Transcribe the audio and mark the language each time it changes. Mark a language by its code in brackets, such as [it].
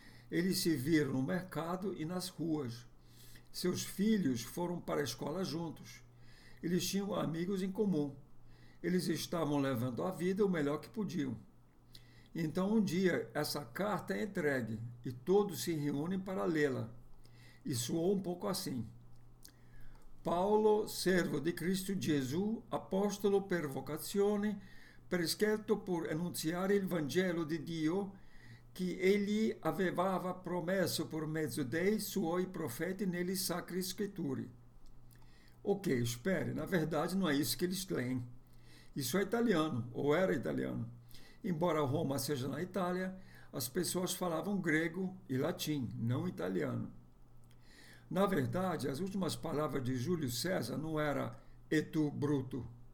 [pt] Eles se viram no mercado e nas ruas. Seus filhos foram para a escola juntos. Eles tinham amigos em comum. Eles estavam levando a vida o melhor que podiam. Então, um dia, essa carta é entregue e todos se reúnem para lê-la. E soou um pouco assim: [it] Paulo, servo de Cristo Jesus, apóstolo per vocazione, prescelto por annunciare il Vangelo di Dio, che egli aveva promesso por mezzo dei suoi profeti nelle sacre scritture. [pt] Ok, espere, na verdade não é isso que eles leem. Isso é italiano, ou era italiano. Embora Roma seja na Itália, as pessoas falavam grego e latim, não italiano. Na verdade, as últimas palavras de Júlio César não era [la] et tu, Bruto.